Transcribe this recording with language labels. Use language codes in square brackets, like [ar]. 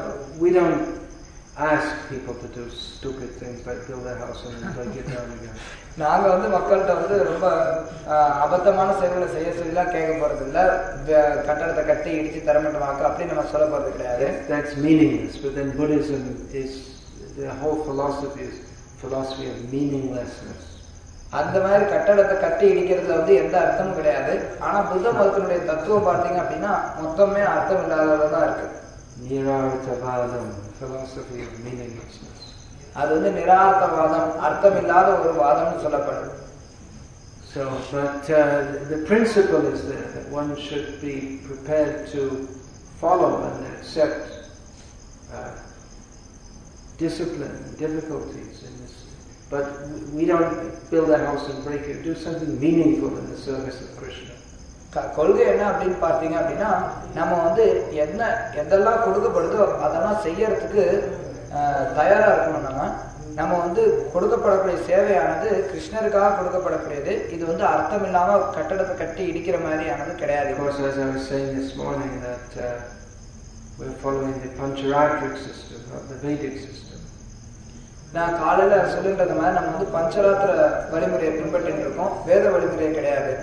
[ta] இருக்கணும். [en] Ask people to do stupid things like build their house and then break it down again. [ta] நாங்க வந்து மக்கள்கிட்ட வந்து ரொம்ப அபத்தமான செயல்களை செய்ய சொல்லி கேட்க போறது இல்ல, கட்டடத்தை கட்டி இடிச்சு தர மாட்டோமாக்கு அப்படின்னு நம்ம சொல்ல போறது கிடையாது. [en] That's meaningless. But then Buddhism is the whole philosophy is philosophy of meaninglessness. [ta] அந்த மாதிரி கட்டடத்தை கட்டி இடிக்கிறதுல வந்து எந்த அர்த்தமும் கிடையாது. ஆனா புத்த மதத்தினுடைய தத்துவம் பார்த்தீங்க அப்படின்னா மொத்தமே அர்த்தம் இல்லாததான் இருக்கு. [en] நிராதவாதம், philosophy of meaninglessness. [ta] அது வந்து நிராதவாதம், அர்த்தமில்லாத ஒரு வாதம்னு சொல்லப்படும். [en] So but the principle is there that one should be prepared to follow and accept discipline and difficulties in this. But we don't build a house and break it. Do something meaningful in the service of Krishna. [ta] கொள்கை என்ன அப்படின்னு பார்த்தீங்க அப்படின்னா, நம்ம வந்து என்ன எதெல்லாம் கொடுக்கப்படுதோ அதெல்லாம் செய்யறதுக்கு தயாராக இருக்கணும். நம்ம வந்து கொடுக்கப்படக்கூடிய சேவையானது கிருஷ்ணருக்காக கொடுக்கப்படக்கூடியது. இது வந்து அர்த்தம் இல்லாமல் கட்டடத்தை கட்டி இடிக்கிற மாதிரியானது கிடையாது. [en] Because as I was saying this morning that we're following the Pancharatric system, not the Vedic system. [ta] நான் காலையில் சொல்லுன்றது மாதிரி நம்ம வந்து பஞ்சராத்திர வழிமுறையை பின்பற்றிட்டு இருக்கோம், வேத வழிமுறையை கிடையாது.